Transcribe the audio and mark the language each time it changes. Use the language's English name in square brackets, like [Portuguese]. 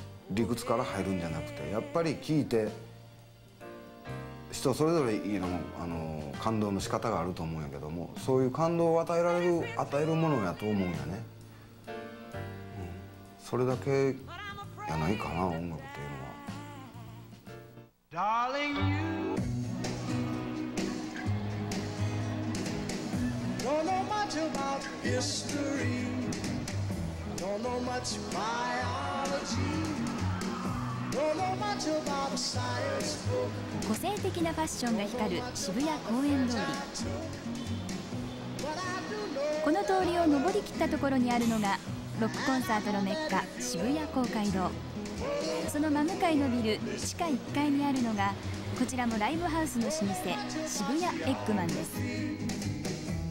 [Japanese] 理屈から入るんじゃなくて、やっぱり聞いて人それぞれの、感動の仕方があると思うんやけども、そういう感動を与えられる与えるものやと思うんやね、うん、それだけやないかな音楽っていうのは。 [English] Darling you don't know much about history, don't know much biology, don't know much about science book. [Japanese] 個性的なファッションが光る渋谷公園通り。この通りを上り切ったところにあるのがロックコンサートのメッカ渋谷公会堂。その真向かいのビル地下1階にあるのが、こちらもライブハウスの老舗渋谷エッグマンです。